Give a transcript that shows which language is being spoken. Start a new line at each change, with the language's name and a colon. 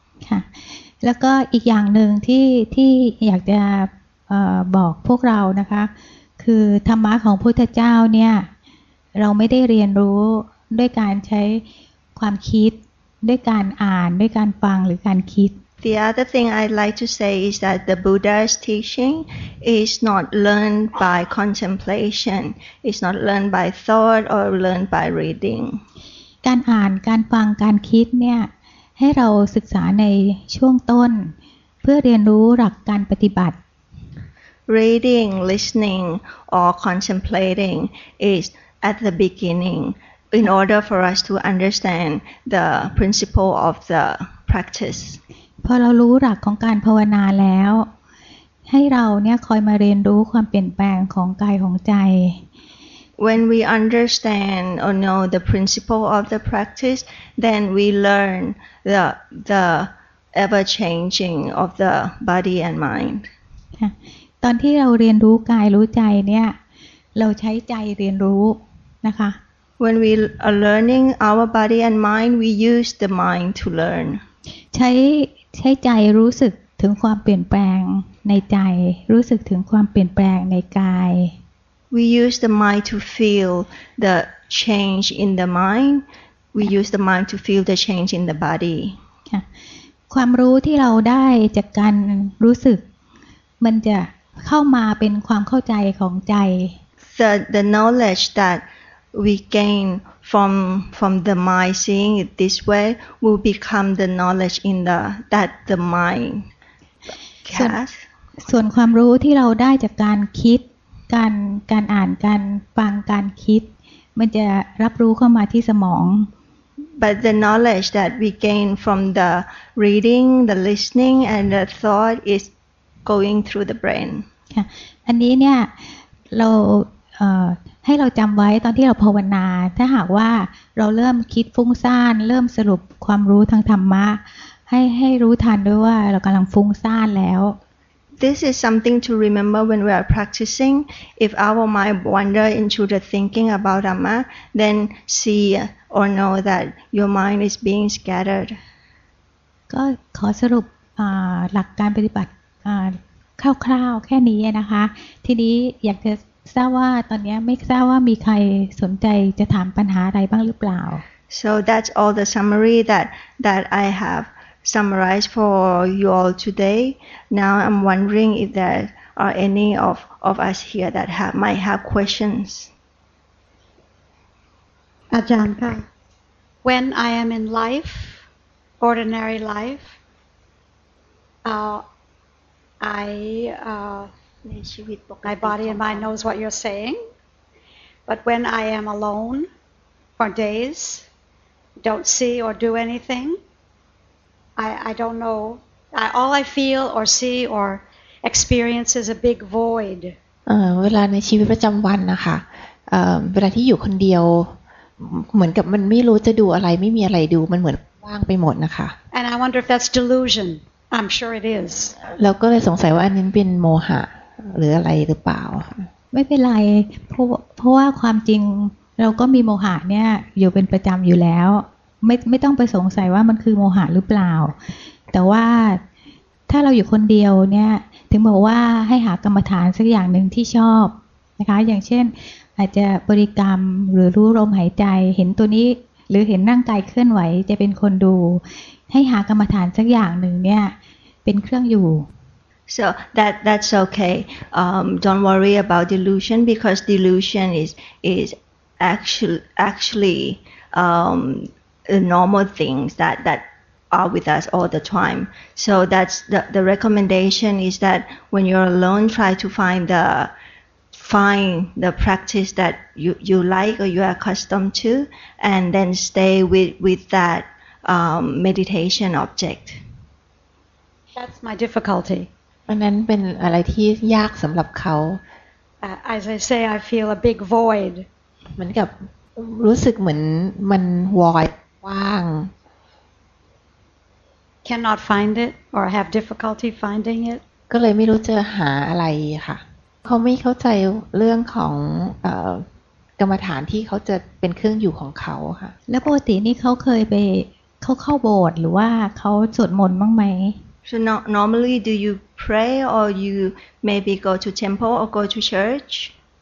Thai: ค่ะแล้วก็อีกอย่างหนึ่งที่อยากจะบอกพวกเรานะคะคือธรรมะของพุทธเจ้าเนี่ยเราไม่ได้เรียนรู้ด้วยการใช้ความคิดด้วยการอ่านด้วยการฟังหรือการคิด
English: The other thing I'd like to say is that the Buddha's teaching is not learned by contemplation it's not learned by thought or learned by reading
Thai: การอ่านการฟังการคิดเนี่ยให้เราศึกษาในช่วงต้นเพื่อเรียนรู้หลักการปฏิบัติ
English: Reading, listening, or contemplating is at the beginning in order for us to understand the principle of the practice.
Thai: พอเรารู้หลักของการภาวนาแล้วให้เราเนี่ยคอยมาเรียนรู้ความเปลี่ยนแปลงของกายของใจ
English: When we understand or know the principle of the practice, then we learn the ever changing of the body and mind.
Thai: ตอนที่เราเรียนรู้กายรู้ใจเนี่ยเราใช้ใจเรียนรู้นะคะ
English: When we are learning our body and mind, we use the mind to learn.
Thai: ใช้ใจรู้สึกถึงความเปลี่ยนแปลงในใจรู้สึกถึงความเปลี่ยนแปลงในกาย
English: We use the mind to feel the change in the mind. We use the mind to feel the change in the body.
Thai: ความรู้ที่เราได้จากการรู้สึกมันจะเข้ามาเป็นความเข้าใจของใจ
English: The knowledge that we gain from the mind seeing it this way will become the knowledge in that the mind has.
Thai: ส่วนความรู้ที่เราได้จากการคิดการอ่านการฟังการคิดมันจะรับรู้เข้ามาที่สมอง
English: But the knowledge that we gain from the reading, the listening, and the thought is going through the brain.
Thai: อันนี้เนี่ยเรา ให้เราจำไว้ตอนที่เราภาวนาถ้าหากว่าเราเริ่มคิดฟุ้งซ่านเริ่มสรุปความรู้ทางธรรมะให้รู้ทันด้วยว่าเรากำลังฟุ้งซ่านแล้ว
English: This is something to remember when we are practicing. If our mind wander into the thinking about dhamma, then see or know that your mind is being scattered.
Thai: ก็ขอสรุปหลักการปฏิบัติคร่าวๆแค่นี้นะคะทีนี้อยากจะทราบว่าตอนนี้ไม่ทราบว่ามีใครสนใจจะถามปัญหาอะไรบ้างหรือเปล่า
English: So that's all the summary that I have summarized for you all today. Now I'm wondering if there are any of us here that might have questions.
Thai: อาจารย์ค่ะ
English: When I am in life, ordinary life, My body and mind knows what you're saying, but when I am alone for days, don't see or do anything, I don't know. All I feel or see or experience is a big void.
Thai: เวลาในชีวิตประจำวันนะคะเวลาที่อยู่คนเดียวเหมือนกับมันไม่รู้จะดูอะไรไม่มีอะไรดูมันเหมือนว่างไปหมดนะคะ
English: And I wonder if that's delusion. I'm sure it is.
Thai: แล้วก็เลยสงสัยว่าอันนี้เป็นโมหะหรืออะไรหรือเปล่า ไม่เป็นไรเพราะว่าความจริงเราก็มีโมหะเนี่ยอยู่เป็นประจำอยู่แล้วไม่ต้องไปสงสัยว่ามันคือโมหะหรือเปล่าแต่ว่าถ้าเราอยู่คนเดียวเนี่ยถึงบอกว่าให้หากรรมฐานสักอย่างหนึ่งที่ชอบนะคะอย่างเช่นอาจจะบริกรรมหรือรู้ลมหายใจเห็นตัวนี้หรือเห็นร่างกายเคลื่อนไหวจะเป็นคนดูให้หากรรมฐานสักอย่างหนึ่งเนี่ยเป็นเครื่องอยู่
English: So that's okay. Don't worry about delusion because delusion is actually the normal things that are with us all the time. So that's the recommendation is that when you're alone, try to find the practice that you like or you are accustomed to, and then stay with that meditation object. That's my difficulty.
Thai: อันนั้นเป็นอะไรที่ยากสำหรับเขา
English: As I say, I feel a big void.
Thai: เหมือนกับรู้สึกเหมือนมันวอยว่าง
English: Cannot find it or have difficulty finding it.
Thai: ก็เลยไม่รู้จะหาอะไรค่ะเขาไม่เข้าใจเรื่องของกรรมฐานที่เขาจะเป็นเครื่องอยู่ของเขาค่ะ แล้วปกตินี่เขาเคยไปเข้าโบสถ์หรือว่าเขาสวดมนต์บ้างไหม
English: So normally, do you pray or you maybe go to temple or go to church?